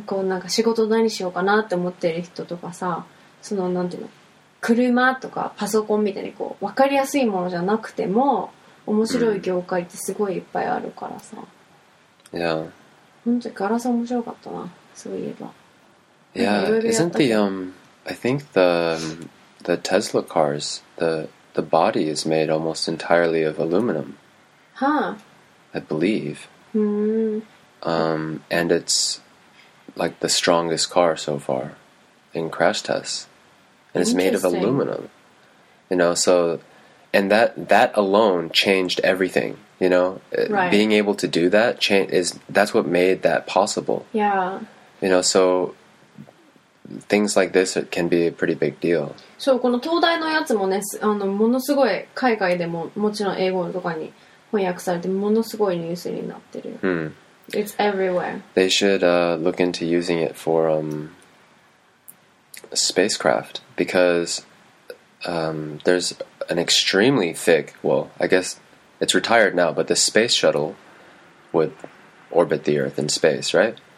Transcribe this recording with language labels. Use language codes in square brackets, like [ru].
[ja] こうなんか仕事何しようかなって思ってる人とかさ、そのなんていうの、車とかパソコンみたいにこう分かりやすいものじゃなくても面白い業界ってすごいいっぱいあるからさ。いや、本当にガラス面白かったな、そういえば。いや、 [en] isn't the I think the Tesla cars the body is made almost entirely of aluminum. Huh. I believe. Hmm. And it's like the strongest car so far in crash tests. And it's made of aluminum, you know, so, and that alone changed everything, you know, right. Being able to do that that's what made that possible. Yeah. You know, so things like this can be a pretty big deal. So, [ja] この東大のやつもね、あの、ものすごい海外でももちろん英語とかに翻訳されてものすごいニュースになってる。 Hmm. [en] It's everywhere. They should look into using it for spacecraft, because there's an extremely thick, well, I guess it's retired now, but the space shuttle would orbit the Earth in space, right?